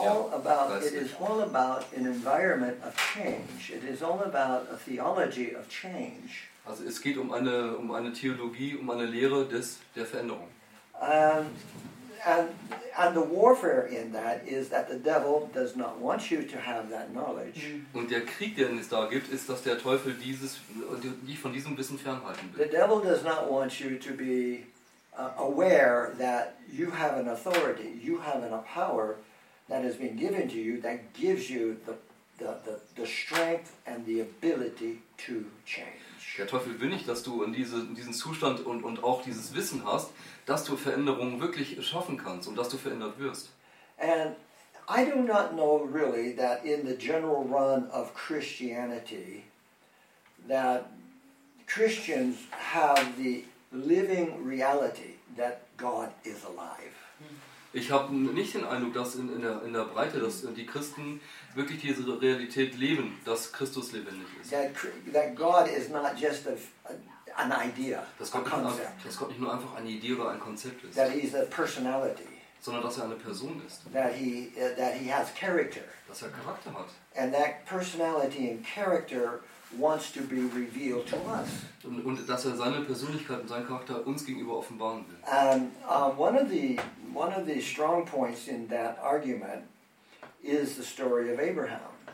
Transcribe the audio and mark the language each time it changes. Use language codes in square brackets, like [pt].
[en] It is all about an environment of change. It is all about a theology of change. [de] Also es geht um eine Theologie, um eine Lehre der Veränderung. [en] And the warfare in that is that the devil does not want you to have that knowledge. [de] Und der Krieg, den es da gibt, ist, dass der Teufel dich von diesem Wissen fernhalten will. [en] The devil does not want you to be aware that you have an authority, you have a power that has been given to you that gives you the strength and the ability to change. [de] Der Teufel will nicht, dass du in diesen Zustand und auch dieses Wissen hast, dass du Veränderungen wirklich schaffen kannst und dass du verändert wirst. [en] And I do not know really that in the general run of Christianity that Christians have the living reality that God is alive. [de] Ich habe nicht den Eindruck, dass in der Breite, dass die Christen wirklich diese Realität leben, dass Christus lebendig ist. [en] That God is not just an idea, [de] dass Gott nicht nur einfach eine Idee oder ein Konzept ist. [en] That he is a personality. [de] Sondern dass er eine Person ist. [en] That he has character. [de] Dass er Charakter hat. [en] And that personality and character wants to be revealed to us. [de] Und dass er seine Persönlichkeit und seinen Charakter uns gegenüber offenbaren will. [en] One of the strong points in that argument is the story of Abraham.